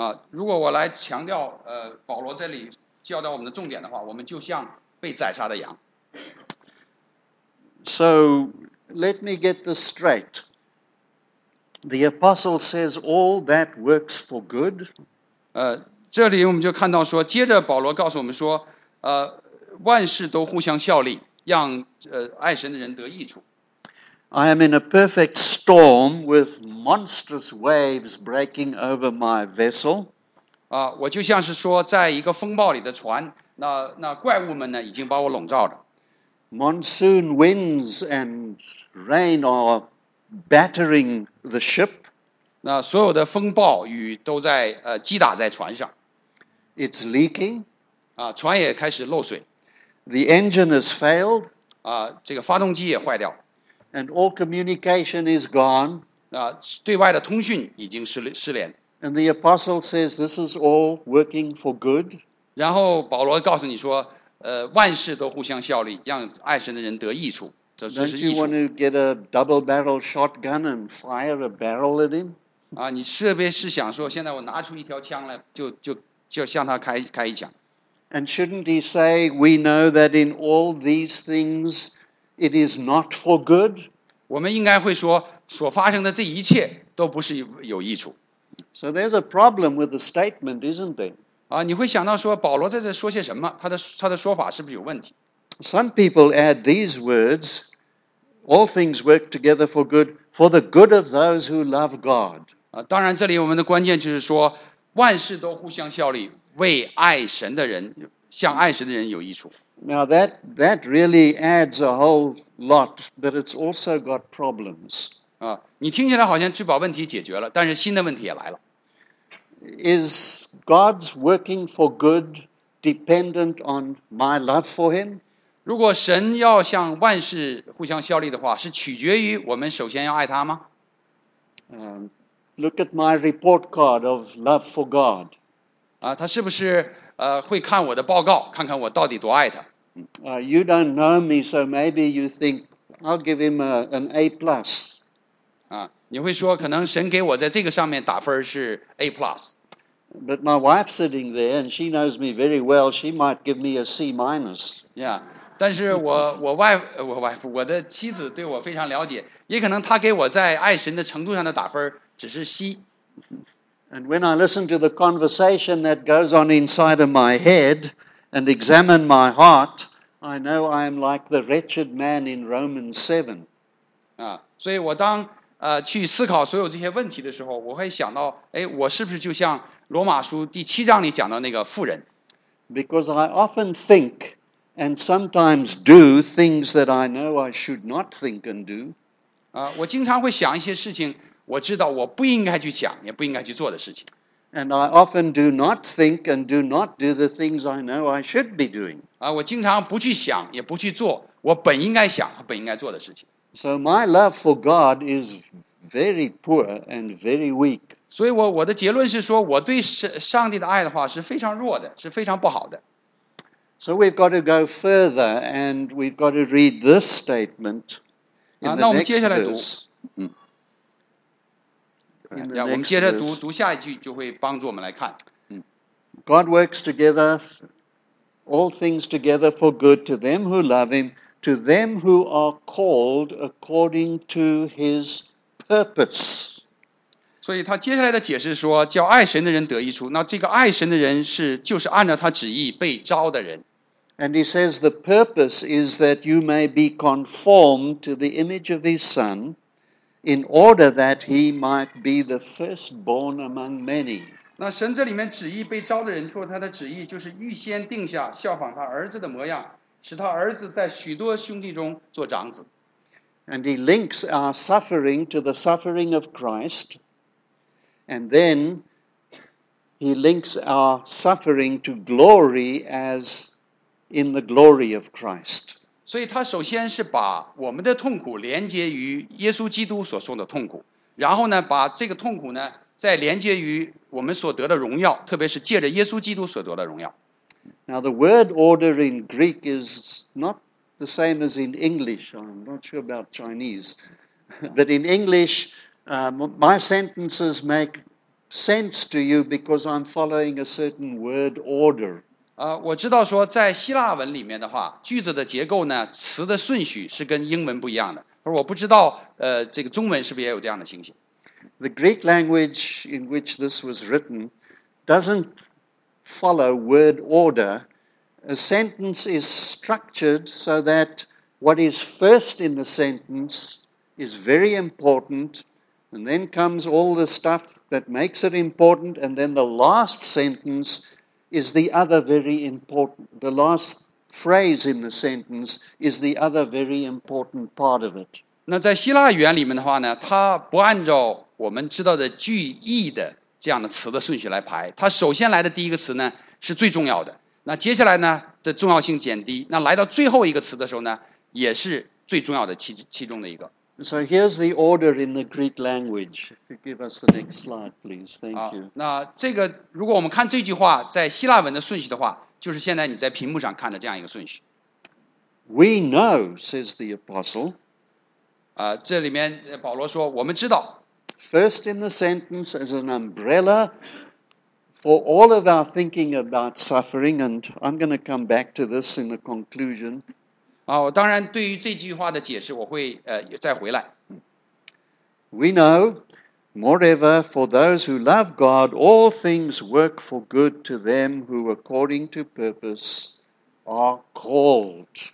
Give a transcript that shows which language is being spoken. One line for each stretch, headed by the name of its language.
Chinese: 如果我来强调保罗这里教导我们的重点的话，我们就像被宰杀的羊。
English: So, let me get this straight. The apostle says all that works for good.
Chinese: 这里我们就看到说，接着保罗告诉我们说，万事都互相效力，让爱神的人得益处。
English: I am in a perfect storm with monstrous waves breaking over my vessel.
Chinese: 我就像是说在一个风暴里的船，那怪物们呢已经把我笼罩了。
English: Monsoon winds and rain are battering the ship.
Chinese: 那所有的风暴雨都在击打在船上。
English: It's leaking.
Chinese: 船也开始漏水。
English: The engine has failed.
Chinese: 这个发动机也坏掉。
English: And all communication is gone.
Chinese: 对外的通讯已经失联。
English: And the apostle says this is all working for good.
Chinese: 然后保罗告诉你说，万事都互相效力，让爱神的人得益处。这是益处。
English: Don't you want to get a double-barrel shotgun and fire a barrel at him?
Chinese: 你是不是想说，现在我拿出一条枪来，就向他开一枪。
English: And shouldn't he say, we know that in all these things,It is not for good.
Chinese: 我们应该会说，所发生的这一切都不是有益处。
English: So there's a problem with the statement, isn't there?
Chinese: 你会想到说，保罗在这说些什么？他的说法是不是有问题？
English: Some people add these words, all things work together for good, for the good of those who love God.
Chinese: 当然这里我们的关键就是说，万事都互相效力，为爱神的人，向爱神的人有益处。
English: Now that really adds a whole lot, but it's also got problems.
Chinese: 你听起来好像就把问题解决了，但是新的问题也来了。
English: Is God's working for good dependent on my love for Him?
Chinese: 如果神要向万事互相效力的话，是取决于我们首先要爱他吗？
English: Look at my report card of love for God.
Chinese: 他是不是？会看我的报告，看看我到底多爱他。
English: You don't know me, so maybe you think I'll give him an A plus.
Chinese: 你会说可能神给我在这个上面打分是 A plus.
English: But my wife sitting there, and she knows me very well. She might give me a C minus.
Chinese: Yeah, 但是我的妻子对我非常了解，也可能她给我在爱神的程度上的打分只是 C。
English: And when I listen to the conversation that goes on inside of my head and examine my heart, I know I am like the wretched man in Romans 7.
Chinese: 所以我当去思考所有这些问题的时候，我会想到，哎，我是不是就像罗马书第七章里讲到那个妇人？
English: Because I often think and sometimes do things that I know I should not think and do.
Chinese: 我经常会想一些事情。我知道我不应该去想，也不应该去做的事情。
English: And I often do not think and do not do the things I know I should be doing.
Chinese: 我经常不去想，也不去做我本应该想和本应该做的事情。
English: So my love for God is very poor and very weak.
Chinese: 所以我的结论是说，我对上帝的爱的话是非常弱的，是非常不好的。
English: So we've got to go further and we've got to read this statement in the next verse.
Chinese: 那我们接下来读。我们接着读下一句，就会帮助我们来看。
English: God works together all things together for good to them who love him, to them who are called according to his purpose.
Chinese: 所以他接下来的解释说，叫爱神的人得益处，那这个爱神的人是，就是按照他旨意被召的人。
English: And he says the purpose is that you may be conformed to the image of his son in order that he might be the firstborn among many.
Chinese: 那神这里面旨意被召的人说他的旨意就是预先定下效仿他儿子的模样，使他儿子在许多兄弟中做长子。
English: And he links our suffering to the suffering of Christ, and then he links our suffering to glory as in the glory of Christ.
Chinese: 所以他首先是把我们的痛苦连接于耶稣基督所受的痛苦，然后呢，把这个痛苦呢，再连接于我们所得的荣耀，特别是借着耶稣基督所得的荣耀。
English: Now the word order in Greek is not the same as in English. I'm not sure about Chinese. But in English, my sentences make sense to you because I'm following a certain word order.
Chinese: 我知道说在希腊文里面的话，句子的结构呢，词的顺序是跟英文不一样的。而我不知道这个中文是不是也有这样的情形。
English: The Greek language in which this was written doesn't follow word order. A sentence is structured so that what is first in the sentence is very important, and then comes all the stuff that makes it important, and then the last sentence is the other very important, the last phrase in the sentence is the other very important part of it.
Chinese: 那在希腊语言里面的话呢，它不按照我们知道的句意的这样的词的顺序来排，它首先来的第一个词呢是最重要的，那接下来呢的重要性减低，那来到最后一个词的时候呢，也是最重要的其中的一个。
English: So here's the order in the Greek language. Give us the next slide, please. Thank you.
Chinese: 那这个如果我们看这句话在希腊文的顺序的话，就是现在你在屏幕上看的这样一个顺序。
English: We know, says the apostle.
Chinese: 这里面保罗说，我们知道。
English: First in the sentence as an umbrella for all of our thinking about suffering, and I'm going to come back to this in the conclusion.
Chinese: 当然对于这句话的解释我会也再回来。
English: We know, moreover, for those who love God, all things work for good to them who according to purpose are called.